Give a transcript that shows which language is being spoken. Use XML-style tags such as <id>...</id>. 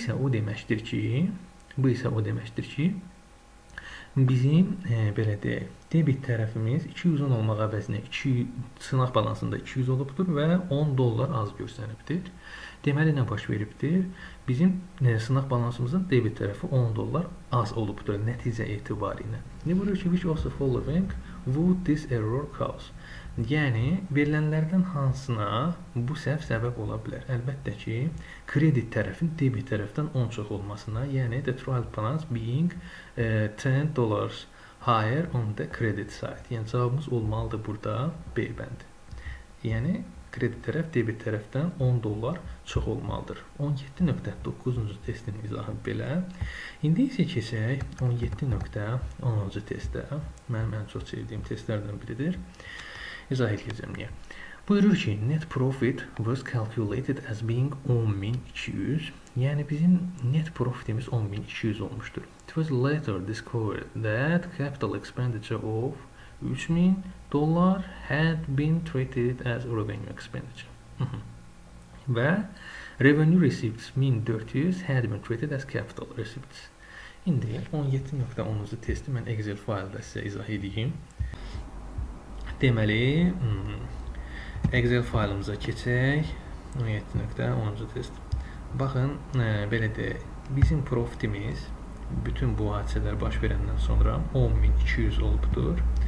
<az>Bu isə o deməkdir ki, bizim belə deyək, debit tərəfimiz 210 olmaq əvəzinə 200 sınaq balansında 200 olubdur və 10 dollar az göstəribdir. Deməli, nə baş veribdir? Bizim sınaq balansımızın debit tərəfi 10 dollar az olubdur nəticə etibarilə.</az> <tr>Ne buyuruyor ki,</tr> <en>which of the following would this error cause?</en> <az>Yəni, verilənlərdən hansına bu səhv səbəb ola bilər? Əlbəttə ki, kredit tərəfin debit tərəfdən 10 çox olmasına, yəni</az> <en>the trial balance being 10 dollars higher on the credit side.</en> <az>Yəni, cavabımız olmalıdır burada B bəndi. Yəni, Kredi tərəf debit tərəfdən 10 dollar çox olmalıdır. 17.9-cu testin izahı belə. İndi isə keçək 17.10-cu testə. Mənim ən çox sevdiyim testlərdən biridir. İzah edəcəm niyə. Buyurur ki,</az> <en>net profit was calculated as being 10.200.</en> <az>Yəni bizim net profitimiz 10.200 olmuşdur.</az> <en>It was later discovered that capital expenditure of 3.000 dollar had been treated as revenue expenditure. Və revenue receipts 1400 had been treated as capital receipts.</en> <az>İndi 17.10-cu testi mən Excel faylda sizə izah edeyim. Deməli, Excel faylımıza keçək. 17.10-cu test. Baxın, belə de, bizim profitimiz bütün bu hadisələr baş verəndən sonra 10.200 olubdur.</az>